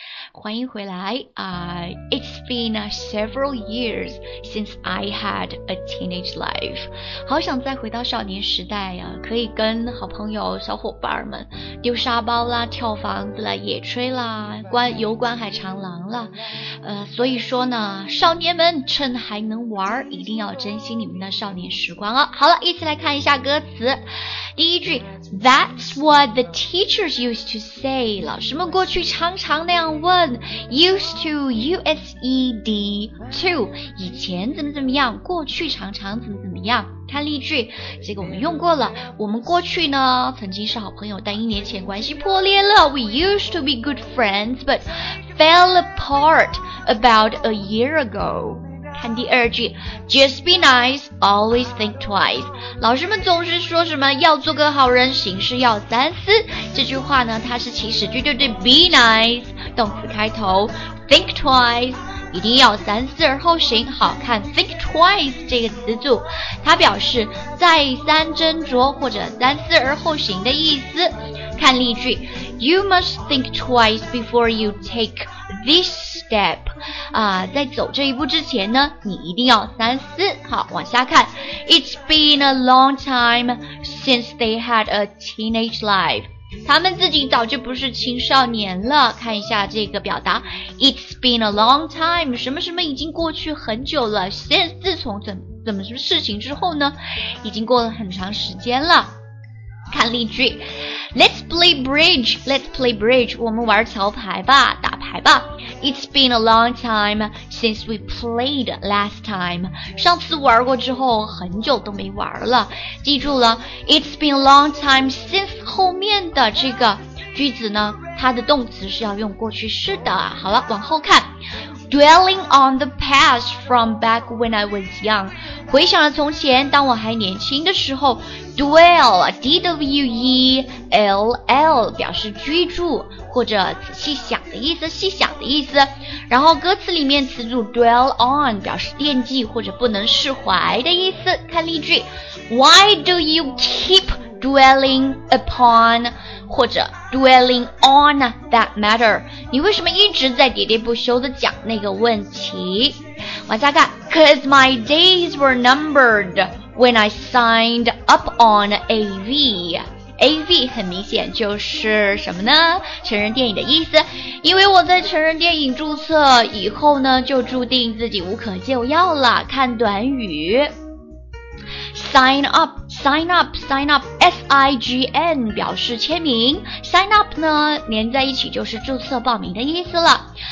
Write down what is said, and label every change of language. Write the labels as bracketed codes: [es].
[en] It's been several years since I had a teenage life. [zh] 好想再回到少年时代啊，可以跟好朋友、小伙伴们丢沙包啦、跳房子啦、野炊啦、游观海长廊啦。所以说呢，少年们趁还能玩，一定要珍惜你们的少年时光啊！好了，一起来看一下歌词。第一句 [en] That's what the teachers used to say. [zh] 老师们过去常常那样问 [en] Used to, used to. [zh] 以前怎么怎么样，过去常常怎么怎么样。看例句，这个我们用过了。我们过去呢曾经是好朋友，但一年前关系破裂了。 [en] We used to be good friends, but fell apart about a year ago. [zh] 看第二句 [en] Just be nice, always think twice. [zh] 老师们总是说什么要做个好人，行事要三思。这句话呢它是祈使句，对 [en] be nice, [zh] 动词开头 [en] think twice, [zh] 一定要三思而后行，好看 think twice 这个词组，它表示再三斟酌或者三思而后行的意思。看例句， [en] You must think twice before you take this step、 [zh] 在走这一步之前呢，你一定要三思。 [en] 好， [zh] 往下看， [en] It's been a long time since they had a teenage life， [zh] 他们自己早就不是青少年了。看一下这个表达， [en] It's been a long time， [zh] 什么什么已经过去很久了， since 自从怎么事情之后呢，已经过了很长时间了。看例句， [en] Let's play bridge， [zh] 我们玩桥牌吧，打牌吧。 [en] It's been a long time since we played last time， [zh] 上次玩过之后很久都没玩了。记住了， [en] It's been a long time since [zh] 后面的这个句子呢，它的动词是要用过去式的。 [en] 好了， [zh] 往后看， [en] Dwelling on the past from back when I was young， [zh] 回想了从前，当我还年轻的时候。 Dwell， D-W-E-L-L， 表示居住或者仔细想的意思，细想的意思。然后歌词里面词组 dwell on 表示惦记或者不能释怀的意思。看例句， [en] Why do you keep dwelling upon [zh] 或者 [en] dwelling on that matter， [zh] 你为什么一直在喋喋不休地讲那个问题。往下看， [en] Cause my days were numbered when I signed up on AV。 [zh] AV 很明显就是什么呢，成人电影的意思。因为我在成人电影注册以后呢，就注定自己无可救药了。看短语， Sign up, S-I-G-N 表示签名， Sign up 呢连在一起就是注册报名的意思了。